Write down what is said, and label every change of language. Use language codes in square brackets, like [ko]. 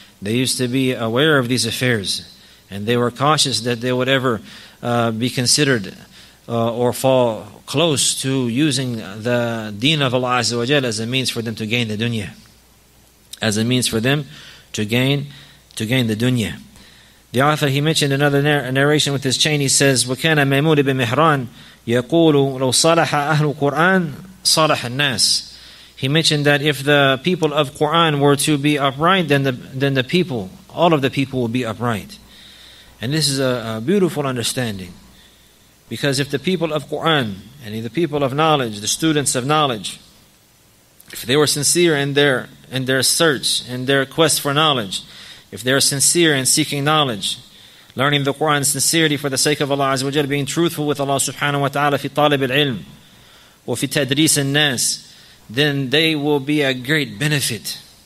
[en] They used to be aware of these affairs, and they were cautious that they would ever be considered or fall close to using the deen of Allah Azza wa Jalla as a means for them to gain the dunya. As a means for them to gain the dunya. The author, he mentioned another narration with his chain. He says, [ar] وَكَانَ مَيْمُونَ بِنْ مِهْرَانَ يَقُولُ لَوْ صَلَحَ أَهْلُ الْقُرْآنِ صَلَحَ النَّاسِ. [en] He mentioned that if the people of Quran were to be upright, then the people, all of the people will be upright. And this is a beautiful understanding. Because if the people of Quran, and the people of knowledge, the students of knowledge, if they were sincere in their search, in their quest for knowledge, if they are sincere in seeking knowledge, learning the Quran sincerely for the sake of Allah Azza wa Jalla, being truthful with Allah Subhanahu wa Taala [ar] fi talib al-ilm wa fi tadris al-nas, [en] then they will be a great benefit.